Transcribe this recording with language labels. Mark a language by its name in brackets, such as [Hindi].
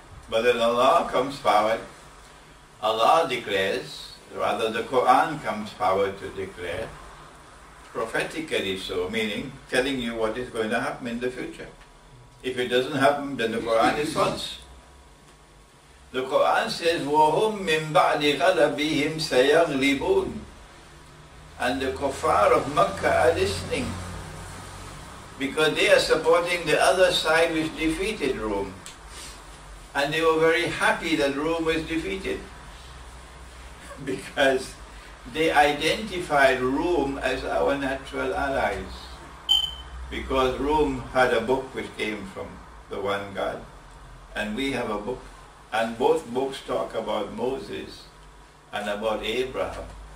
[English] But then Allah comes forward, Allah declares, rather the Quran comes forward to declare, prophetically so, meaning telling you what is going to happen in the future. If it doesn't happen, then the Quran is false. The Quran says, [Arabic] وَهُمْ مِنْ بَعْدِ غَلَبِهِمْ سَيَغْلِبُونَ. [English] And the kuffar of Makkah are listening, because they are supporting the other side which defeated Rome. And they were very happy that Rome was defeated, because they identified Rome as our natural allies, because Rome had a book which came from the one God, and we have a book, and both books talk about Moses and about Abraham.